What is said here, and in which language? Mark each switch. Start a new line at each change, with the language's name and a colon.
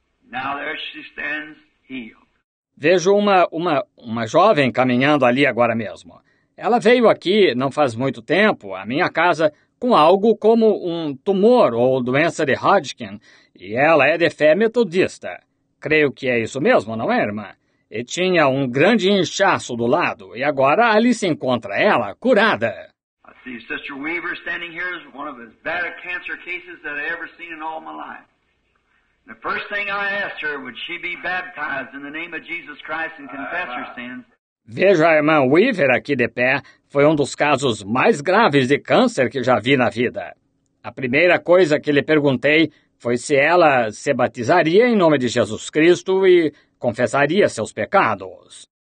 English: Now there she stands, healed.
Portuguese: Vejo uma jovem caminhando ali agora mesmo. Ela veio aqui não faz muito tempo à minha casa com algo como um tumor ou doença de Hodgkin, e ela é de fé metodista. Creio que é isso mesmo, não é, irmã? E tinha um grande inchaço do lado, e agora ali se encontra ela, curada.
English: I see Sister Weaver standing here as one of the bad cancer cases that I've ever seen in all my life. The first thing I asked her, would she be baptized in the name of Jesus Christ and confess her sins?
Portuguese: Vejo a irmã Weaver aqui de pé, foi um dos casos mais graves de câncer que já vi na vida. A primeira coisa que lhe perguntei, foi se ela se batizaria em nome de Jesus Cristo e confessaria seus pecados.